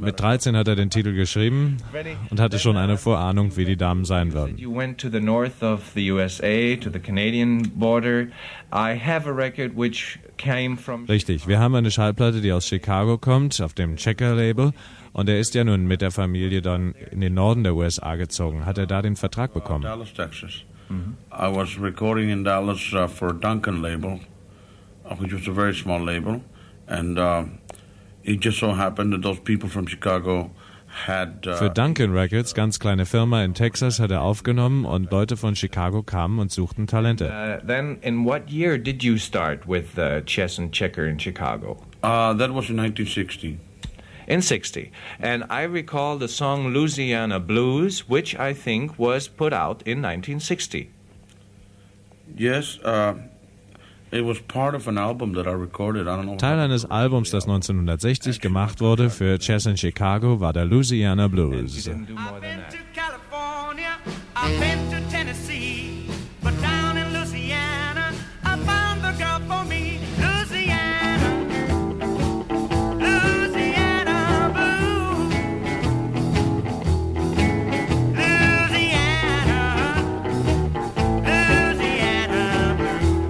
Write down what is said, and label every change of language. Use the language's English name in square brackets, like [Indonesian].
[German] met. Mit 13 hat er den Titel geschrieben und hatte schon eine Vorahnung, wie die Damen sein würden. [English] You went to the north of the USA, to the Canadian border. I have a record which came from... [German] Richtig, wir haben eine Schallplatte, die aus Chicago kommt, auf dem Checker-Label. Und er ist ja nun mit der Familie dann in den Norden der USA gezogen. Hat er da den Vertrag bekommen? [English] Dallas, Texas. Mm-hmm. I was recording in Dallas for a Duncan label, which was a very small label, and it just so happened that those people from Chicago had... [German] Für Duncan Records, ganz kleine Firma in Texas, hat er aufgenommen und Leute von Chicago kamen und suchten Talente. [English] Then, in what year did you start with Chess and Checker in Chicago? That was in 1960. In 60. And I recall the song Louisiana Blues, which I think was put out in 1960. Yes, it was part of an album that I recorded. I don't know. [German] Teil eines Albums, das 1960 gemacht wurde für Chess in Chicago, war der Louisiana Blues. [English] I've been to California, I've been to Tennessee, but down in Louisiana, I found the girl for me. Louisiana, Louisiana Blues, Louisiana, Louisiana Blues.